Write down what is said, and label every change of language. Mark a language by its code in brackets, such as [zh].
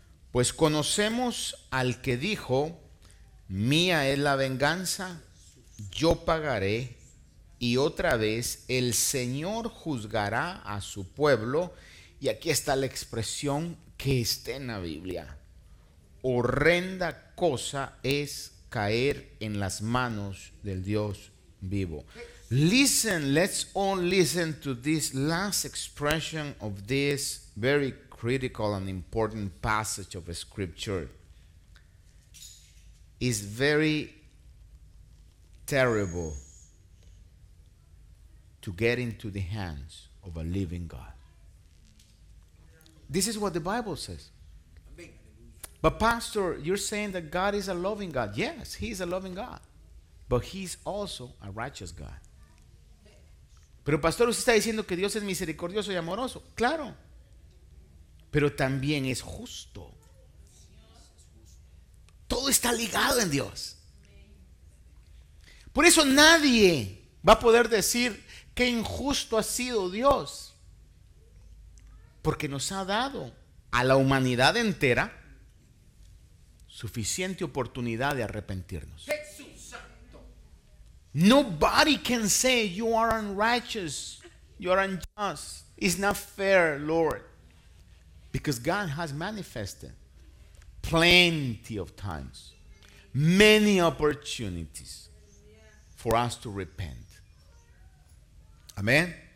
[es] Pues conocemos al que dijo: mía es la venganza, yo pagaré, y otra vez el Señor juzgará a su pueblo. Y aquí está la expresión que está en la Biblia: horrenda cosa es caer en las manos del Dios vivo. [en] Listen, let's all listen to this last expression of this very critical and important passage of Scripture. It's very terrible to get into the hands of a living God. This is what the Bible says. But pastor, you're saying that God is a loving God. Yes, he is a loving God. But he's also a righteous God. [es] Pero pastor, usted está diciendo que Dios es misericordioso y amoroso. Claro. Pero también es justo. Todo está ligado en Dios. Por eso nadie va a poder decir qué injusto ha sido Dios. Porque nos ha dado a la humanidad entera suficiente oportunidad de arrepentirnos. [en] Nobody can say you are unrighteous, you are unjust, it's not fair, Lord. Because God has manifested plenty of times, many opportunities for us to repent. Amen.